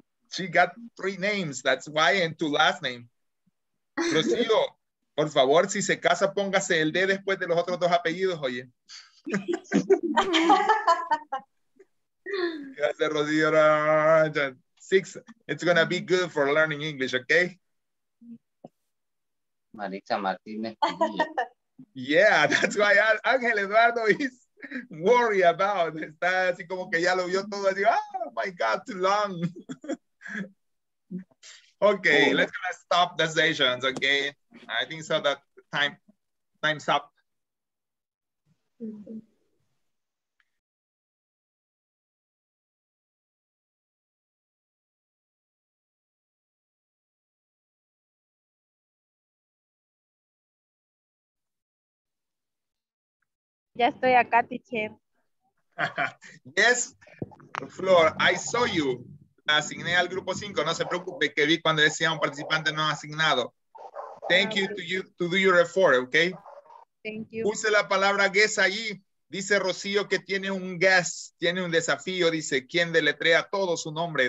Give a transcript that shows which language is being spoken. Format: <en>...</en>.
<en>She got three names, that's why, and two last names.</en> <es>Rocío, por favor, si se casa, póngase el D después de los otros dos apellidos, oye. Gracias, Rocío.</es> <en>Six, it's gonna be good for learning English, okay? Maritza Martínez. Yeah, that's why Ángel Eduardo is worried about.</en> <es>Está así como que ya lo vio todo, así,</es> <en>oh my God, too long. Okay, oh. Let's gonna stop the sessions, okay? I think so that time's up.</en> <es>Ya estoy acá, teacher.</es> <en>Yes, Flor, I saw you.</en> <es>Asigné al grupo 5, no se preocupe, que vi cuando decía un participante no asignado.</es> <en>Thank you to you to do your effort, ok? Thank you.</en> <es>Puse la palabra guess ahí. Dice Rocío que tiene un guess, tiene un desafío, dice, ¿quién deletrea todo su nombre?</es>